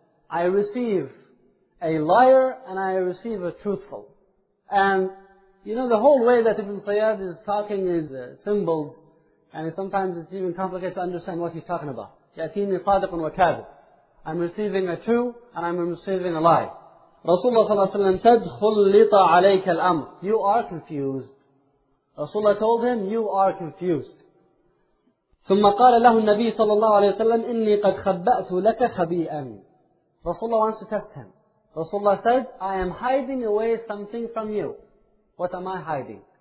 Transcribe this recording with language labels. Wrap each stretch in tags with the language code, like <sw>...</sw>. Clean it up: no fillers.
<en>I receive a liar and I receive a truthful. And you know, the whole way that Ibn Sayyad is talking is symbol, and sometimes it's even complicated to understand what he's talking about.</en> <ar>يَأْتِينِ صَادِقٌ وَكَاذِبٌ.</ar> <en>I'm receiving a true and I'm receiving a lie. Rasulullah</en> <ar>صلى الله عليه وسلم said, خُلِّطَ عَلَيْكَ الْأَمْرِ.</ar> <en>You are confused. Rasulullah told him, you are confused.</en> <ar>ثُمَّ قَالَ لَهُ النَّبِيُّ صلى الله عليه وسلم, إِنِّي قَدْ خَبَّأْتُ لَكَ خَبِيئًا.</ar> <en>Rasulullah wants to test him. Rasulullah said, I am hiding away something from you. What am I hiding?</en>